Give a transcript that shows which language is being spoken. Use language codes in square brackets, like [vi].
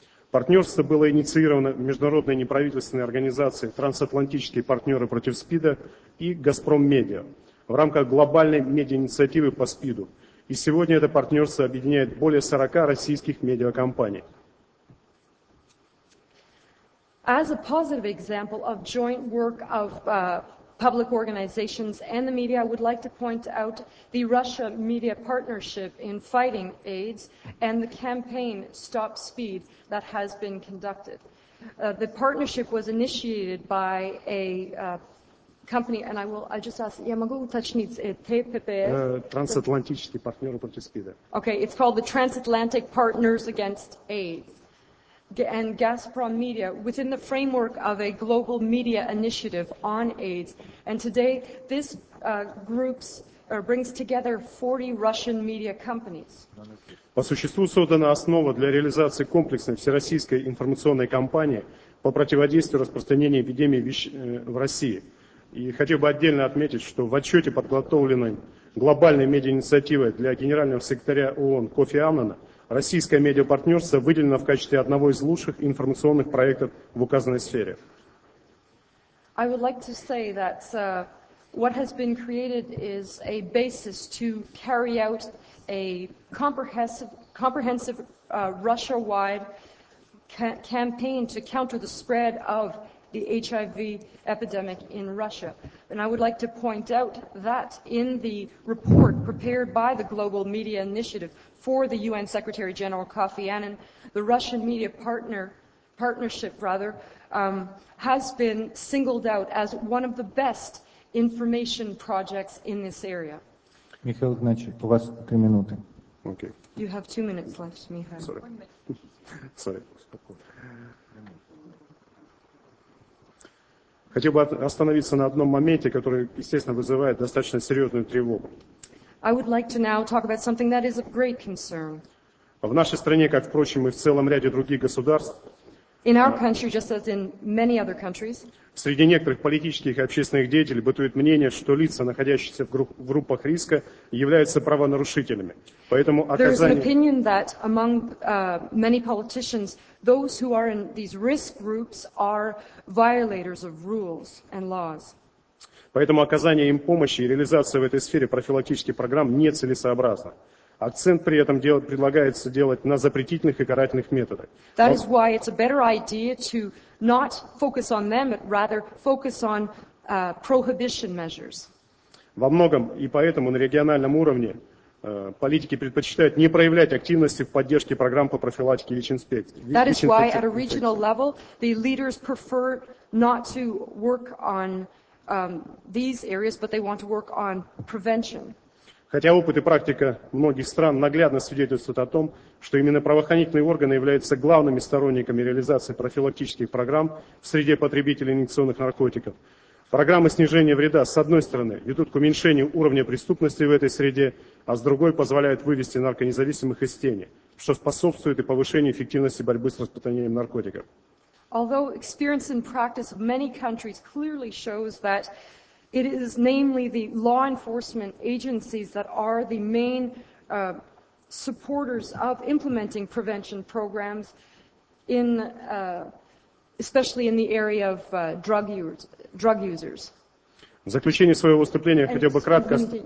[ru] Партнерство было инициировано международной неправительственной организацией «Трансатлантические партнеры против СПИДа» и «Газпром Медиа» в рамках глобальной медиа-инициативы по СПИДу. И сегодня это партнерство объединяет более 40 российских медиакомпаний. [en] As a positive example of joint work of public organizations and the media, I would like to point out the Russia Media Partnership in fighting AIDS and the campaign Stop Speed that has been conducted. The partnership was initiated by a company, and I just ask, [ru] я могу уточнить, ТППС? Трансатлантические партнеры против СПИДа. [en] Okay, it's called the Transatlantic Partners Against AIDS. And Gazprom Media within the framework of a global media initiative on AIDS. And today, this brings together 40 Russian media companies. [ru] По существу создана основа для реализации комплексной всероссийской информационной кампании по противодействию распространению эпидемии ВИЧ в России. И хотел бы отдельно отметить, что в отчете, подготовленной глобальной медиа-инициативой для генерального секретаря ООН Кофи Аннана, российское медиапартнерство выделено в качестве одного из лучших информационных проектов в указанной сфере. [en] I would like to say that what has been created is a basis to carry out a comprehensive Russia-wide campaign to counter the spread of the HIV epidemic in Russia. And I would like to point out that in the report prepared by the Global Media Initiative for the UN Secretary General Kofi Annan, the Russian media partnership has been singled out as one of the best information projects in this area. [ru] Михаил Игнатьевич, у вас 3 минуты. [en] Okay. You have 2 minutes left, Михаил. Sorry. [ru] Хотел бы остановиться на одном моменте, который, естественно, вызывает достаточно серьезную тревогу. [en] I would like to now talk about something that is of great concern. [ru] В нашей стране, как, впрочем, и в целом ряде других государств, [en] in our country, just as in many other countries, [ru] среди некоторых политических и общественных деятелей бытует мнение, что лица, находящиеся в группах риска, являются правонарушителями. Поэтому оказание... [en] There is an opinion that among many politicians, those who are in these risk groups are violators of rules and laws. [ru] Поэтому оказание им помощи и реализация в этой сфере профилактических программ нецелесообразно. Акцент при этом предлагается делать на запретительных и карательных методах. [en] That is why it's a better idea to not focus on them, but rather focus on prohibition measures. [ru] Во многом и поэтому на региональном уровне политики предпочитают не проявлять активности в поддержке программ по профилактике ВИЧ-инфекции. [en] That is why at a regional level the leaders prefer not to work on these areas, but they want to work on prevention. [ru] Хотя опыт и практика многих стран наглядно свидетельствуют о том, что именно правоохранительные органы являются главными сторонниками реализации профилактических программ в среде потребителей инъекционных наркотиков. Программы снижения вреда, с одной стороны, ведут к уменьшению уровня преступности в этой среде, а с другой позволяют вывести наркозависимых из тени, что способствует и повышению эффективности борьбы с распространением наркотиков. [en] Although experience and practice of many countries clearly shows that it is namely the law enforcement agencies that are the main supporters of implementing prevention programs, in especially in the area of drug users. [ru] В заключение своего выступления я хотел бы кратко...